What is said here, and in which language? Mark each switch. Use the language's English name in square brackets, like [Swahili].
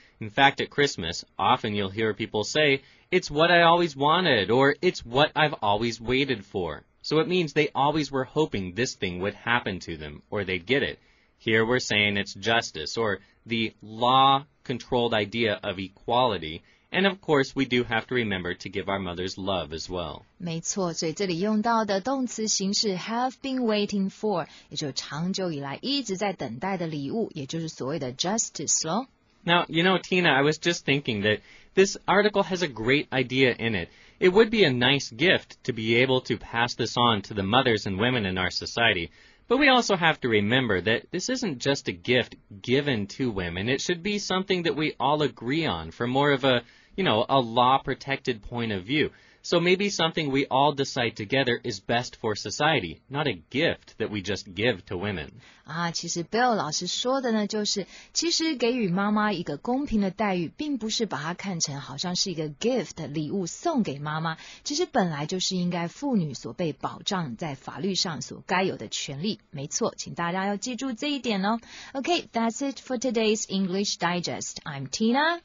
[English] In fact, at Christmas, often you'll hear people say, it's what I always wanted, or it's what I've always waited for. So it means they always were hoping this thing would happen to them, or they'd get it. Here we're saying it's justice, or the law-controlled idea of equality,And of course, we do have to remember to give our mothers love as well. [Chinese] 没错，所以这里用到的动词形式 [English] have been waiting for， [Chinese] 也就长久以来一直在等待的礼物，也就是所谓的 justice 咯。 [English] Now, you know, Tina, I was just thinking that this article has a great idea in it. It would be a nice gift to be able to pass this on to the mothers and women in our society. But we also have to remember that this isn't just a gift given to women. It should be something that we all agree on from more of a, you know, a law-protected point of view. So maybe something we all decide together is best for society, not a gift that we just give to women. [Chinese] 啊，其实 Bill 老师说的呢，就是其实给予妈妈一个公平的待遇，并不是把它看成好像是一个 gift 礼物送给妈妈，其实本来就是应该妇女所被保障在法律上所该有的权利。没错，请大家要记住这一点哦。 [English] Okay, that's it for today's English Digest. I'm Tina.